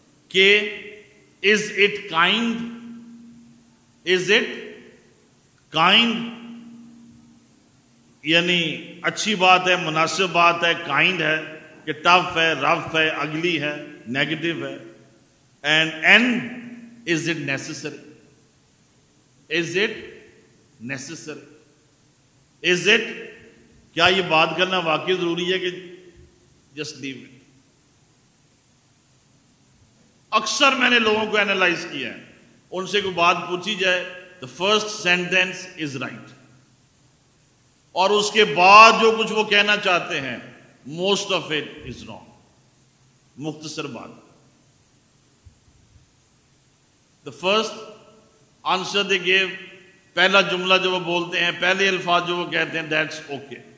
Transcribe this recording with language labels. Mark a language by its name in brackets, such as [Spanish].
[Urdu] کے, [English] is it kind, is it kind, [Urdu] یعنی اچھی بات ہے, مناسب بات ہے, kind ہے, کہ tough ہے, rough ہے, ugly ہے, negative ہے. [English] And is it necessary, is it necessary, is it, [Urdu] کیا یہ بات کرنا واقعی ضروری ہے کہ [English] just leave it. [Urdu] اکثر میں نے لوگوں کو اینالائز کیا ہے, ان سے کوئی بات پوچھی جائے, [English] the first sentence is right, [Urdu] اور اس کے بعد جو کچھ وہ کہنا چاہتے ہیں, [English] Most of it is wrong. [Urdu] مختصر بات, [English] the first answer they gave, [Urdu] پہلا جملہ جو وہ بولتے ہیں, پہلے الفاظ جو وہ کہتے ہیں, [English] That's okay.